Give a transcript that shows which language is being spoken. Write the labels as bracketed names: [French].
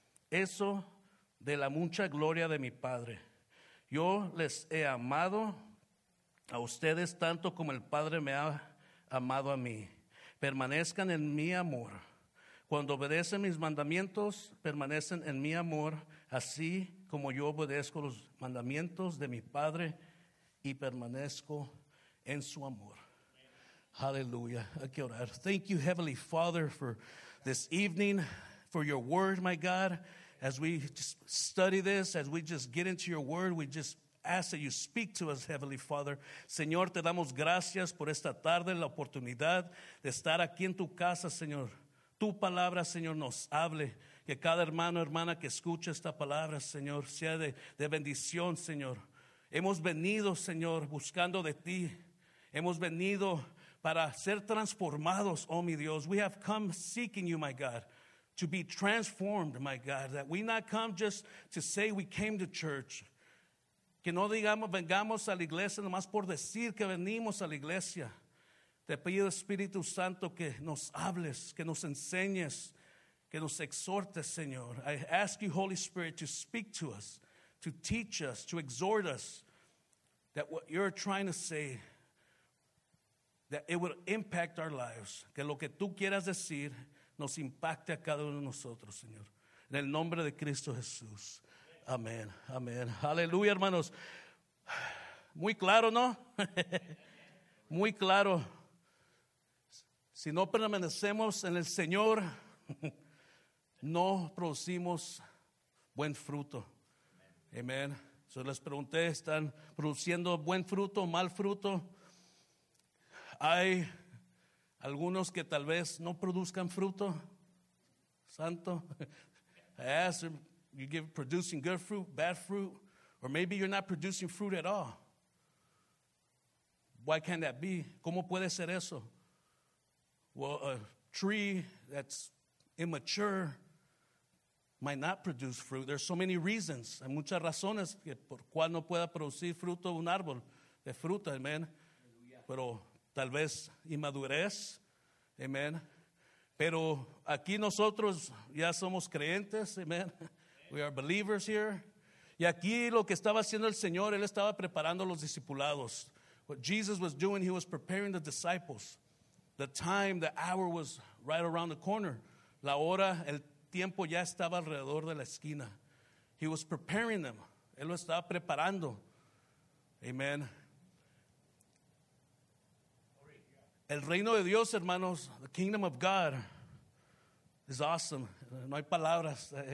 [Spanish] Eso de la mucha gloria de mi Padre. Yo les he amado a ustedes tanto como el Padre me ha amado a mí. Permanezcan en mi amor. Cuando obedecen mis mandamientos, permanecen en mi amor, así como yo obedezco los mandamientos de mi Padre y permanezco en su amor. Hallelujah. Hay que orar. [English] Thank you, Heavenly Father, for this evening, for your word, my God. As we just study this, as we just get into your word, we just ask that you speak to us, Heavenly Father. [Spanish] Señor, te damos gracias por esta tarde, la oportunidad de estar aquí en tu casa, Señor. Tu palabra, Señor, nos hable. Que cada hermano, hermana que escuche esta palabra, Señor, sea de bendición, Señor. Hemos venido, Señor, buscando de ti. Hemos venido para ser transformados, oh mi Dios. [English] We have come seeking you, my God, to be transformed, my God. That we not come just to say we came to church. [Spanish] Que no digamos, vengamos a la iglesia nomás por decir que venimos a la iglesia. Te pido, Espíritu Santo, que nos hables, que nos enseñes, que nos exhortes, Señor. [English] I ask you, Holy Spirit, to speak to us, to teach us, to exhort us, that what you're trying to say, that it will impact our lives. [Spanish] Que lo que tú quieras decir nos impacte a cada uno de nosotros, Señor. En el nombre de Cristo Jesús. Amén. Amén. Aleluya, hermanos. Muy claro, ¿no? Muy claro. Si no permanecemos en el Señor, no producimos buen fruto. Amén. So les pregunté, ¿están produciendo buen fruto o mal fruto? Hay algunos que tal vez no produzcan fruto santo. [English] I ask them, you give producing good fruit, bad fruit, or maybe you're not producing fruit at all. Why can that be? [Spanish] ¿Cómo puede ser eso? [English] Well, a tree that's immature might not produce fruit. There's so many reasons. [Spanish] Hay muchas razones que por cual no pueda producir fruto un árbol de fruta, amen. Pero tal vez inmadurez, amen. Pero aquí nosotros ya somos creyentes, amen. [English] We are believers here. [Spanish] Y aquí lo que estaba haciendo el Señor, Él estaba preparando los discipulados. [English] What Jesus was doing, He was preparing the disciples. The time, the hour was right around the corner. [Spanish] La hora, el tiempo ya estaba alrededor de la esquina. [English] He was preparing them. [Spanish] Él lo estaba preparando. Amen. El reino de Dios, hermanos, [English] the kingdom of God, is awesome. [Spanish] No hay palabras.